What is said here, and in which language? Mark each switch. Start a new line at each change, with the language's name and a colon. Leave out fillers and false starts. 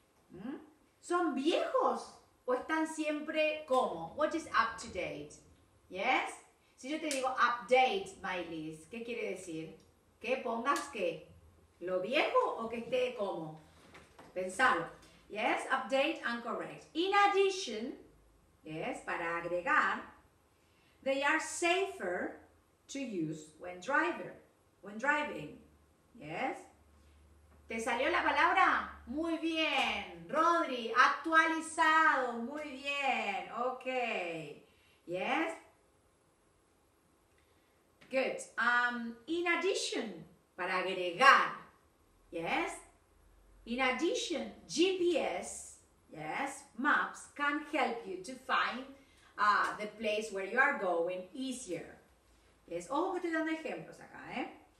Spanish: ¿Mm? ¿Son viejos o están siempre como?
English: What is up to date? Yes?
Spanish: Si yo te digo
English: update my list,
Spanish: ¿qué quiere decir? Que pongas qué, lo viejo o que esté como. Pensalo.
English: Yes, update and correct. In addition, yes,
Spanish: para agregar,
English: they are safer to use when driving. Yes.
Spanish: ¿Te salió la palabra? Muy bien, Rodri, actualizado, muy bien.
English: Okay. Yes. Good. In addition,
Spanish: para agregar,
English: yes, in addition, GPS, yes, maps can help you to find the place where you are going easier.
Spanish: Yes, ojo que estoy dando ejemplos acá, eh.